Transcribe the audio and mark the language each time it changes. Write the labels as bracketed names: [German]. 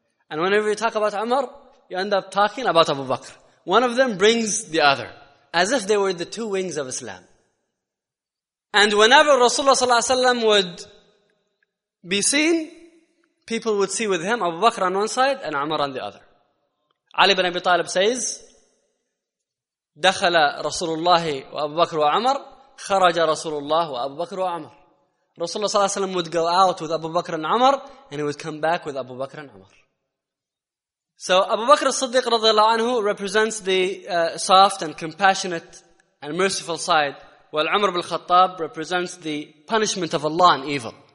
[English] And whenever you talk about Umar, you end up talking about Abu Bakr. One of them brings the other, as if they were the two wings of Islam. And whenever Rasulullah sallallahu alaihi wasallam would be seen, people would see with him Abu Bakr on one side and Umar on the other. Ali ibn Abi Talib says, [Arabic] دخل رسول الله وأبو بكر وعمر خرج رسول الله وأبو بكر وعمر. [English] Rasulullah sallallahu alaihi wasallam would go out with Abu Bakr and Umar, and he would come back with Abu Bakr and Umar. So Abu Bakr as-Siddiq radiallahu anhu represents the soft and compassionate and merciful side, while Umar ibn al-Khattab represents the punishment of Allah and evil.